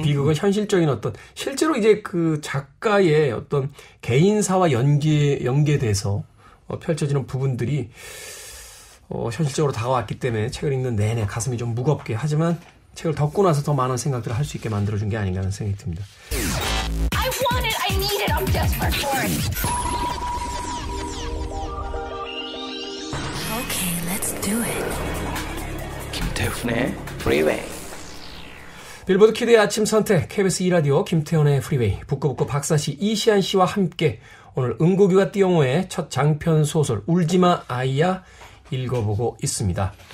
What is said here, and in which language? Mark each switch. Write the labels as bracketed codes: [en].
[ko] 그 비극은 현실적인 어떤 실제로 이제 그 작가의 어떤 개인사와 연계돼서 펼쳐지는 부분들이 현실적으로 다가왔기 때문에 책을 읽는 내내 가슴이 좀 무겁게 하지만. 책을 덮고 나서 더 많은 생각들을 할 수 있게 만들어준 게 아닌가 하는 생각이 듭니다. [en] I want it, I need it, I'm desperate for it. Okay, let's do it. [ko] 김태훈의 Freeway. 빌보드 키드의 아침 선택, KBS 2라디오 김태훈의 Freeway. 북구북구 박사씨 이시안 씨와 함께 오늘 응고기와 띠용호의 첫 장편 소설 울지마 아이야 읽어보고 있습니다.